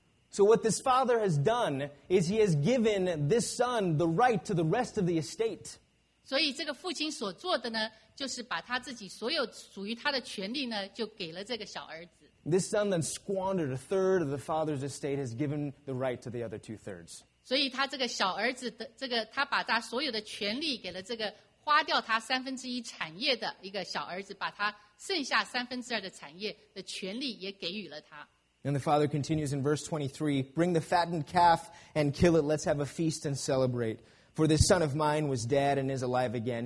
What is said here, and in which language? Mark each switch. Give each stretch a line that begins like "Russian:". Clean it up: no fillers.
English: So what this father has done is he has given this son the right to the rest of the estate.
Chinese: 所以这个父亲所做的呢，就是把他自己所有属于他的权利呢，就给了这个小儿子。
English: This son then squandered a third of the father's estate, has given the right to the other two-thirds.
Chinese: 所以他这个小儿子的，这个他把他所有的权利给了这个花掉他三分之一产业的一个小儿子，把他剩下三分之二的产业的权利也给予了他。
English: And the father continues in verse 23, "Bring the fattened calf and kill it. Let's have a feast and celebrate. For this son of mine was dead and is alive again.